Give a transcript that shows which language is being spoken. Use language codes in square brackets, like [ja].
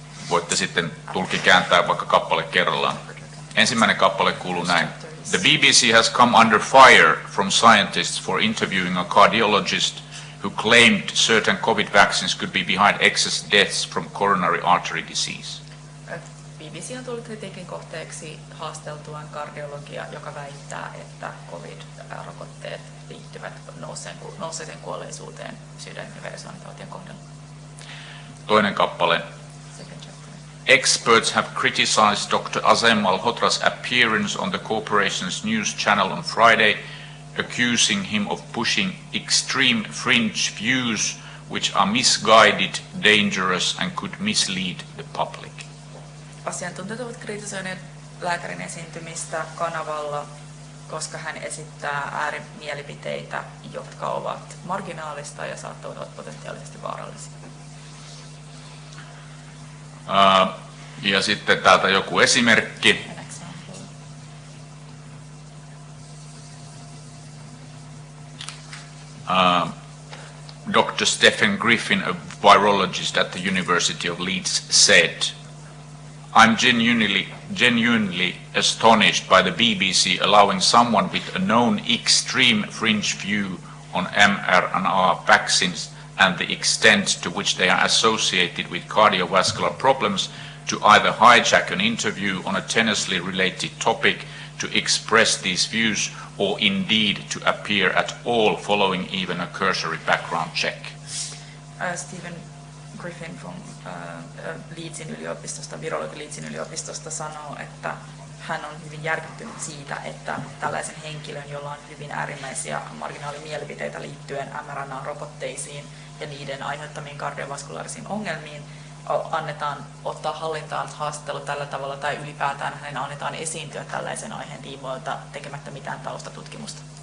[fi] Voitte sitten tulki kääntää vaikka kappale kerrallaan. Ensimmäinen kappale kuuluu näin. [en] The BBC has come under fire from scientists for interviewing a cardiologist who claimed certain COVID vaccines could be behind excess deaths from coronary artery disease. [fi] BBC on tullut kritiikin kohteeksi haasteltuaan kardiologia, joka väittää, että COVID-rokotteet liittyvät nousseeseen kuolleisuuteen sydän- ja verisuonitautien kohdalla. Toinen kappale. [en] Experts have criticized Dr. Azem Malhotra's appearance on the corporation's news channel on Friday, accusing him of pushing extreme fringe views, which are misguided, dangerous and could mislead the public. [fi] Asiantuntijat ovat kritisoineet lääkärin esiintymistä kanavalla, koska hän esittää äärimielipiteitä, jotka ovat marginaalista ja saattavat olla potentiaalisesti vaarallisia. Ja sitten täältä joku esimerkki. [en] Dr. Stephen Griffin, a virologist at the University of Leeds, said, I'm genuinely astonished by the BBC allowing someone with a known extreme fringe view on mRNA vaccines and the extent to which they are associated with cardiovascular problems to either hijack an interview on a tenuously related topic to express these views or indeed to appear at all following even a cursory background check. [fi] Stephen Griffin from Leedsin yliopistosta, virologi Leedsin yliopistosta sanoo, että hän on hyvin järkyttynyt siitä, että tällaisen henkilön, jolla on hyvin äärimmäisiä marginaalimielipiteitä liittyen mRNA-rokotteisiin ja niiden aiheuttamiin kardiovaskulaarisiin ongelmiin, annetaan ottaa hallintaan haastattelu tällä tavalla tai ylipäätään hänen annetaan esiintyä tällaisen aiheen tiimoilta tekemättä mitään taustatutkimusta.